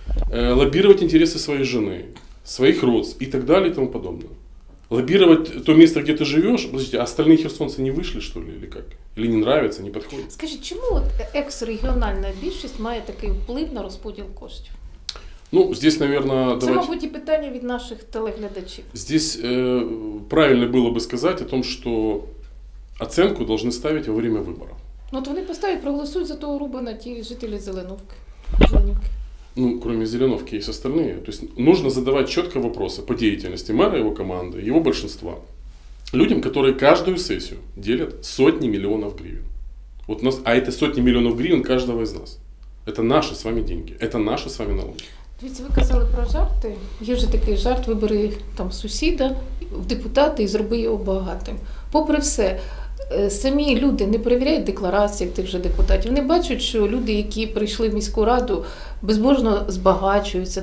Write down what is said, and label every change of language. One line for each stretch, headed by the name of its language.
Russian: Лоббировать интересы своей жены, своих родственников и так далее и тому подобное. Лоббировать то место, где ты живешь. Подождите, а остальные херсонцы не вышли, что ли, или как? Или не нравится, не подходит? Скажи, чему вот экс-региональная большинство имеет такой
Ukrainian: вплив
Russian: на распределение
Ukrainian: коштів?
Russian: Ну, здесь, наверное, это, давайте...
Ukrainian: мабуть, и питання від наших телеглядачів.
Russian: Здесь правильно было бы сказать о том, что оценку должны ставить во время выборов. Ну, вот они поставят, проголосуют за того Рубана, те жители Зеленовки. Ну, кроме Зеленовки, есть остальные. То есть нужно задавать четко вопросы по деятельности мэра, его команды, его большинства. Людям, которые каждую сессию делят сотни миллионов гривен. Вот у нас, а это сотни миллионов гривен каждого из нас. Это наши с вами деньги, это наши с вами налоги.
Ukrainian: Дивіться, ви казали про жарти. Є вже такий жарт, вибери там сусіда в депутати і зроби його багатим. Попри все, самі люди не перевіряють декларації тих же депутатів. Вони бачать, що люди, які прийшли в міську раду, безбожно збагачуються.